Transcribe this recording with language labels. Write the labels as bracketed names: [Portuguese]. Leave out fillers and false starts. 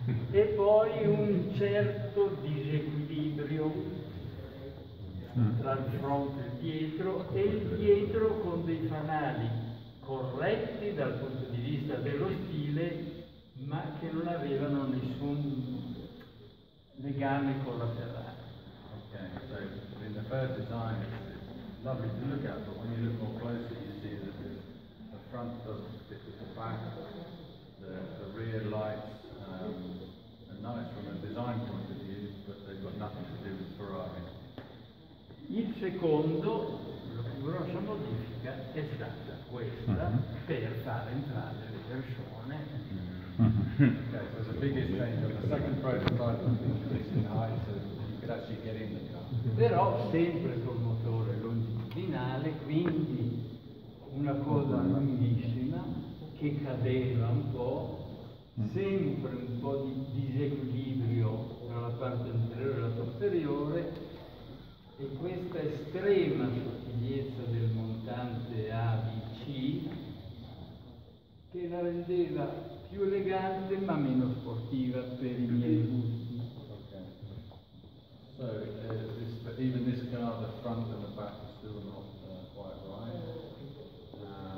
[Italian] E poi un certo disequilibrio tra il fronte e il dietro, e il dietro con dei fanali corretti dal punto di vista dello stile, ma che non avevano nessun legame con la Ferrari. [English] Ok, so in the first design it's lovely to look at, but when you look more closely you see that the front doesn't fit with the back. The rear lights are nice from a design point of view, but they've got nothing to do with Ferrari. [Italian] Il secondo, la più grossa modifica è stata questa per far entrare le persone. [English] Okay, so the biggest change of the second prototype was the increase in height so you could actually get in the car. [Italian] Però sempre col motore longitudinale, quindi una cosa lunghissima che cadeva un po', sempre un po' di disequilibrio tra la parte anteriore e la posteriore, e questa estrema sottigliezza del montante ABC che la rendeva più elegante ma meno sportiva per i miei gusti. Okay. [English] So, this, but even this car, the front and the back are still not quite right.